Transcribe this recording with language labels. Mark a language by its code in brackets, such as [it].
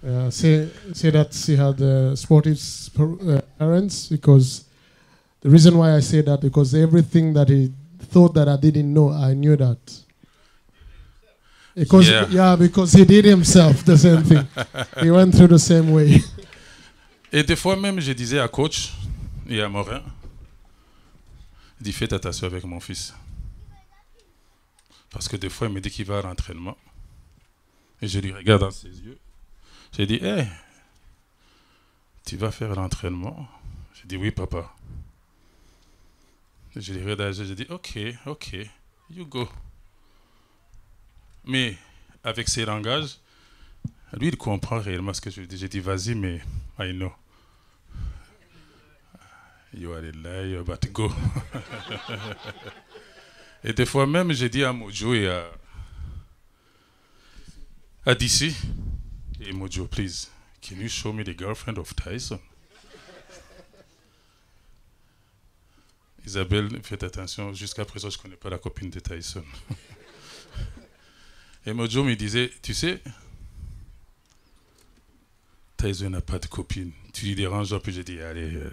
[en] say that she had sportive parents, because the reason why I say that, because everything that he thought that I didn't know, I knew that. Because because he did himself the same thing. He went through the same way. [fr] Et des fois même, je disais à coach, et à Morin, il dit, faites attention avec mon fils. Parce que des fois, il me dit qu'il va à l'entraînement. Et je lui regarde dans ses yeux. J'ai dit, hey, tu vas faire l'entraînement? J'ai dit, oui, papa. Et je lui regarde, j'ai dit, ok, [en] you go. [fr] Mais avec ses langages, lui, il comprend réellement ce que je lui dis. J'ai dit, vas-y, mais [en] I know. You are a liar, but go. [fr] Et des fois même, j'ai dit à Mojo et à [en] Adisi, Emojo, please, can you show me the girlfriend of Tyson? [fr] Isabelle, faites attention, jusqu'à présent, je ne connais pas la copine de Tyson. Emojo me disait, tu sais, Tyson n'a pas de copine. Tu lui déranges un peu, j'ai dit, allez.